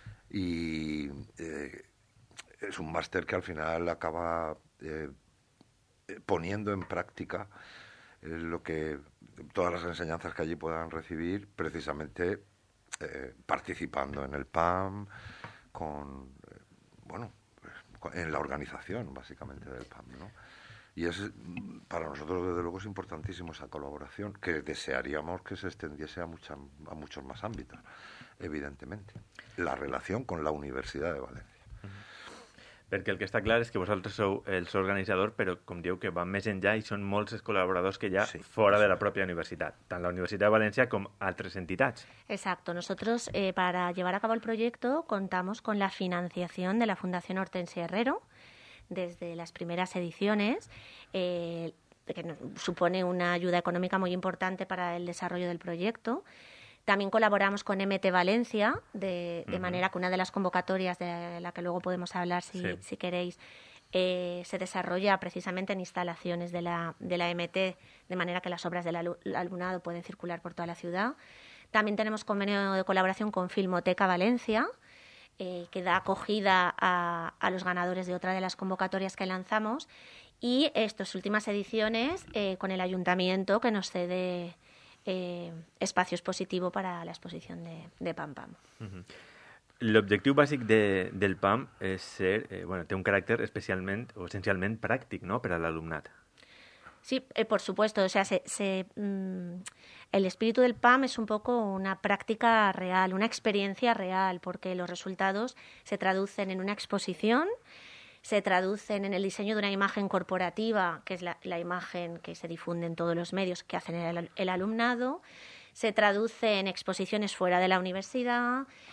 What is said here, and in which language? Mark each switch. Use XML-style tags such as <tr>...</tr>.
<es>Y es un máster que al final acaba poniendo en práctica lo que todas las enseñanzas que allí puedan recibir, precisamente participando en el PAM, con bueno, en la organización básicamente del PAM, ¿no? Y es, para nosotros desde luego es importantísimo esa colaboración, que desearíamos que se extendiese a muchos más ámbitos, evidentemente. La relación con la Universidad de Valencia.</es> <ca>Perquè el que està clar és que vosaltres sou els organitzadors, però com dieu que van més enllà i són molts els col·laboradors que hi ha fora de la pròpia universitat, tant la Universitat de València com altres entitats.</ca> <es>Exacto. Nosotros, para llevar a cabo el proyecto, contamos con la financiación de la Fundación Hortensia Herrero desde las primeras ediciones, que supone una ayuda económica muy importante para el desarrollo del proyecto. También colaboramos con MT Valencia, de manera que una de las convocatorias de la que luego podemos hablar, si queréis, se desarrolla precisamente en instalaciones de la MT, de manera que las obras del alumnado pueden circular por toda la ciudad. También tenemos convenio de colaboración con Filmoteca Valencia, que da acogida a los ganadores de otra de las convocatorias que lanzamos. Y estas últimas ediciones con el Ayuntamiento, que nos cede espacio expositivo para la exposición de PAM PAM.</es> <ca>L'objectiu bàsic del PAM és ser, bueno, té un caràcter especialment o essencialment pràctic, no?, per a l'alumnat.</ca> <es>Sí, por supuesto, o sea, el espíritu del PAM es un poco una práctica real, una experiencia real, porque los resultados se traducen en una exposición, se traducen en el diseño de una imagen corporativa, que es la imagen que se difunde en todos los medios, que hacen el alumnado, se traduce en exposiciones fuera de la universidad,</es>